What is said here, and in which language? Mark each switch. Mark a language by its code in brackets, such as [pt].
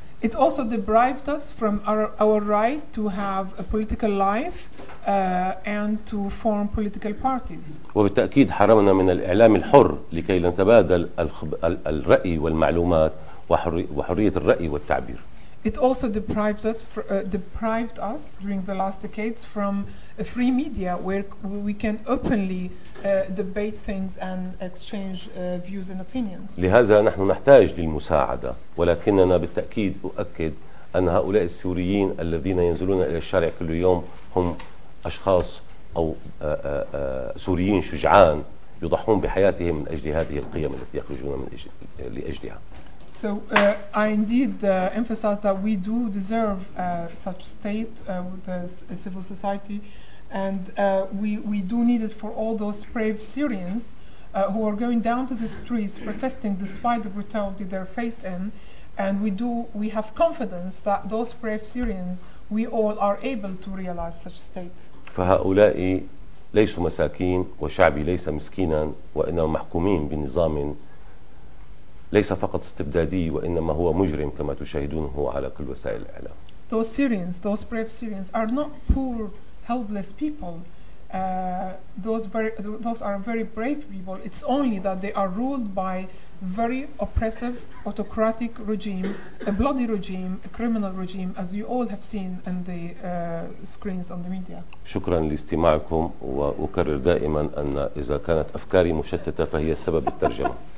[en] It also deprived us from our right to have a political life and to form political parties. [ar] وبالتأكيد حرمنا من الإعلام الحر لكي نتبادل الرأي والمعلومات وحرية الرأي والتعبير. [en] It also deprived us during the last decades from a free media where we can openly debate things and exchange views and opinions. [ar] لهذا نحن نحتاج للمساعدة، ولكننا بالتأكيد أؤكد أن هؤلاء السوريين الذين ينزلون إلى الشارع كل يوم هم أشخاص أو سوريين شجعان يضحون بحياتهم من أجل هذه القيم التي يخرجون من لأجلها. [en] So I indeed emphasize that we do deserve such state with a civil society, and we do need it for all those brave Syrians who are going down to the streets protesting despite the brutality they're faced in, and we have confidence that those brave Syrians, we all are able to realize such state. [ar] فهؤلاء ليسوا مساكين وشعبي ليس مسكينا وإنما محكومين بنظام ليس فقط استبدادي وإنما هو مجرم كما تشاهدونه على كل وسائل الإعلام. [en] Those Syrians, those brave Syrians, are not poor, helpless people. Those are very brave people. It's only that they are ruled by very oppressive, autocratic regime, a bloody regime, a criminal regime, as you all have seen in the screens on the media. [ar] شكرا لاستماعكم وأكرر دائما أن إذا كانت أفكاري مشتتة فهي سبب الترجمة.